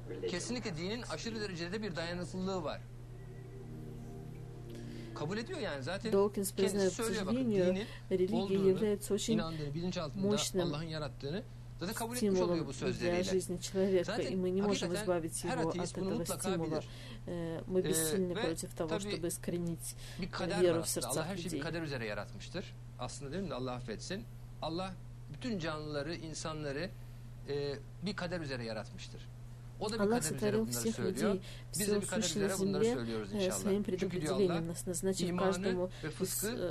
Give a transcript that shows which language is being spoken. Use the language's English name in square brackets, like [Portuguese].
[Turkish] Kesinlikle dinin aşırı derecede bir dayanıklılığı var. Kabul ediyor yani zaten. Dawkins kendisi söylüyor bakın dinin religi, olduğunu, inandığını, bilinç altında Allah'ın yarattığını zaten kabul etmiş oluyor bu sözleriyle. Zaten hakikaten her ateist bunu mutlaka bilir. [Russian] Мы бессильны против того, чтобы искоренить веру в сердцах людей. [Turkish] Her şey bir kader üzere yaratmıştır. Aslında değil mi? Allah affetsin. Allah bütün canlıları, insanları bir kader üzere yaratmıştır. O da bir Allah kader üzere bunları söylüyor. [Russian] Людей, [Turkish] biz de bir kader üzere bunları söylüyoruz inşallah. Çünkü diyor Allah, imanı ve fıskı